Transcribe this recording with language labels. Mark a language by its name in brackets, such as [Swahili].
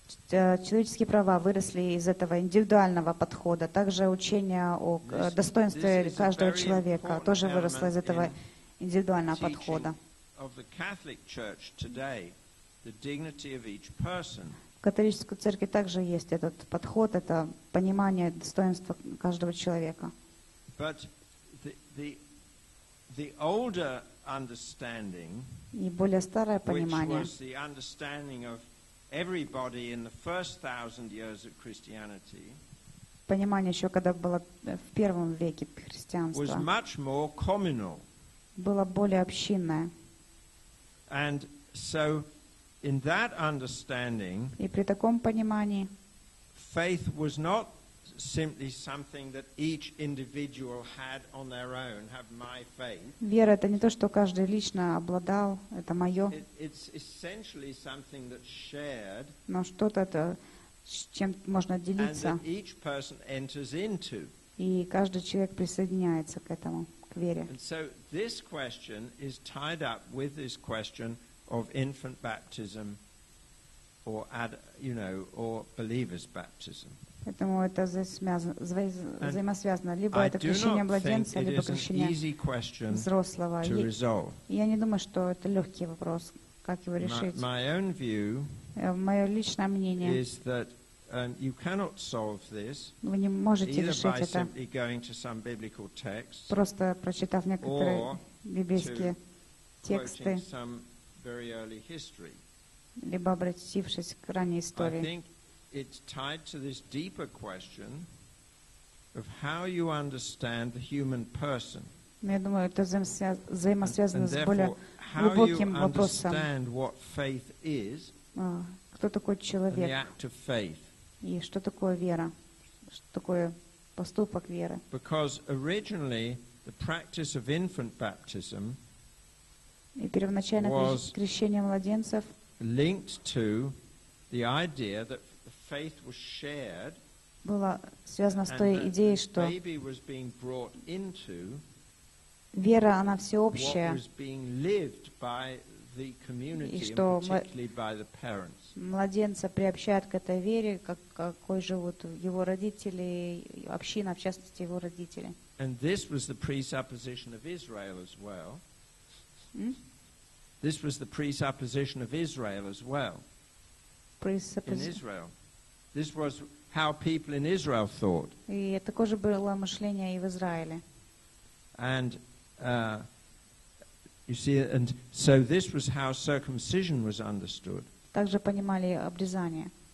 [Russian] Человеческие права выросли из этого индивидуального подхода, также учение о достоинстве каждого человека тоже выросло из этого индивидуального подхода. [English] Of the Catholic Church today, the dignity of each person. [Russian] В католической церкви также есть этот подход, это понимание достоинства каждого человека. [English] But the older understanding, [Russian] и более старое понимание, [English] which was the understanding of everybody in the first 1,000 years of Christianity, [Russian] понимание еще когда было в первом веке христианства, [English] was much more communal. [Russian] Было более общинное. [English] And so, in that understanding, [Russian] и при таком понимании, [English] faith was not simply something that each individual had on their own. Have my faith. [Russian] Вера это не то, что каждый лично обладал, это мое. [English] It's essentially something that's shared. [Russian] Но что-то это, с чем можно делиться. [English] And that each person enters into. [Russian] И каждый человек присоединяется к этому. [English] And so this question is tied up with this question of infant baptism, or or believer's baptism. [Russian] Поэтому это взаимосвязано, либо это крещение младенца, либо крещение взрослого. [English] To resolve. [Russian] Я не думаю, что это легкий вопрос, как его решить. [English] My own view. [Russian] Мое личное мнение. [English] Is that you cannot solve this. [Russian] Вы не можете решить это. [English] Simply going to some biblical text. [Russian] Просто прочитав некоторые библейские тексты. [English] Or to some very early history. [Russian] Либо обратившись к ранней истории. [English] I think it's tied to this deeper question of how you understand the human person. [Russian] Я думаю, это взаимосвязано с более глубоким вопросом. [English] How you understand what faith is. [Russian] Кто такой человек? [English] The act of faith. [Russian] И что такое вера? Что такое поступок веры? [English] Because originally the practice of infant baptism was [Russian] крещение младенцев [English] linked to the idea that the faith was shared. [Russian] Было связано с той идеей, что [English] baby was being brought into [Russian] вера, она всеобщая. [English] What was being lived by the community, particularly by the parents. [Russian] Младенца приобщают к этой вере, как какой живут его родители, община, в частности его родители. [English] And this was the presupposition of Israel as well. This was the presupposition of Israel as well. In Israel. This was how people in Israel thought. [Russian] И такое же было мышление и в Израиле. [English] And you see, and so this was how circumcision was understood. [Russian] Также понимали обрезание.